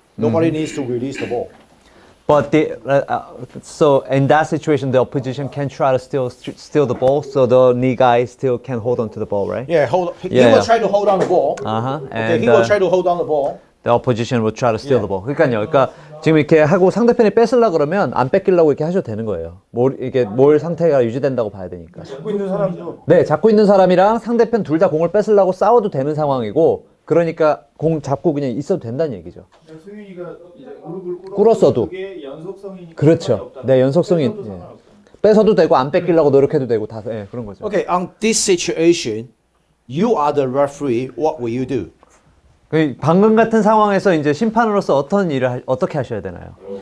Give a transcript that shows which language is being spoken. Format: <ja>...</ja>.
<en>Nobody needs to release the ball. But so in that situation, the opposition can try to steal the ball, so the knee guy still can hold on to the ball, right? Yeah, he will try to hold on the ball. The opposition will try to steal the ball.</en> <ko>그러니까요, 그러니까 지금 이렇게 하고 상대편이 뺏으려고 그러면 안 뺏기려고 이렇게 하셔도 되는 거예요. 이게 몰 상태가 유지된다고 봐야 되니까. 잡고 있는 사람도. 네, 잡고 있는 사람이랑 상대편 둘 다 공을 뺏으려고 싸워도 되는 상황이고, 그러니까 공 잡고 그냥 있어도 된다는 얘기죠. 승윤이가 무릎을 꿇었어도 그게 연속성이니까 그렇죠. 네, 연속성이 뺏어도 되고 안 뺏기려고 노력해도 되고 다 네, 그런 거죠.</ko> <en>Okay, on this situation, you are the referee. What will you do?</en> <ko>방금 같은 상황에서 이제 심판으로서 어떤 일을 어떻게 하셔야 되나요?</ko>